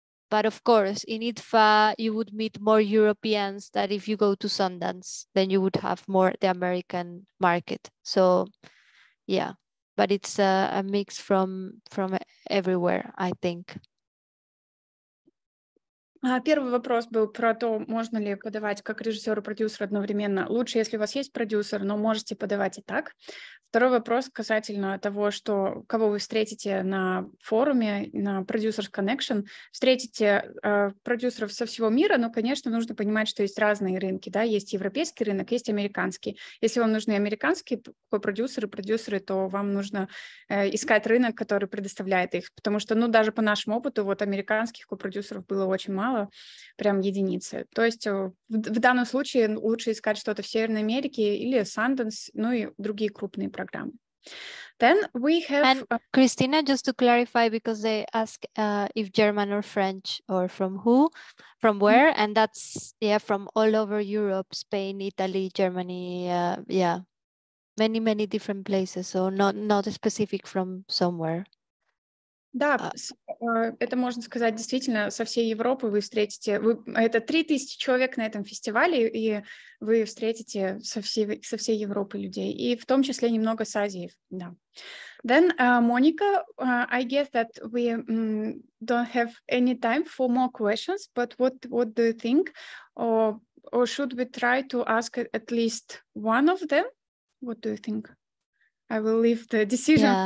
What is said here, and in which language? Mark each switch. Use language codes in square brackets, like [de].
[en] But of course, in IDFA, you would meet more Europeans than if you go to Sundance, then you would have more the American market. So yeah, but it's a mix from everywhere, I think. [ru] Первый вопрос был про то, можно ли подавать как режиссер и продюсер одновременно. Лучше, если у вас есть продюсер, но можете подавать и так. Второй вопрос касательно того, что кого вы встретите на форуме, на Producers Connection. Встретите продюсеров со всего мира, но, конечно, нужно понимать, что есть разные рынки. Да? Есть европейский рынок, есть американский. Если вам нужны американские продюсеры, то вам нужно искать рынок, который предоставляет их. Потому что, ну, даже по нашему опыту, вот американских копродюсеров было очень мало, прям единицы. То есть в данном случае лучше искать что-то в Северной Америке или Sundance, ну и другие крупные программы. [en] Then we have... And Christina, just to clarify, because they ask if German or French or from who, from where, mm-hmm. and that's, yeah, from all over Europe, Spain, Italy, Germany, yeah, many, many different places, so not specific from somewhere. [ru] Да, это можно сказать действительно со всей Европы вы встретите. Вы, это 3000 человек на этом фестивале, и вы встретите со всей Европы людей, и в том числе немного с Азии. Да. [en] Then, Monica, I guess that we don't have any time for more questions, but what do you think? Or should we try to ask at least one of them? What do you think? I will leave the decision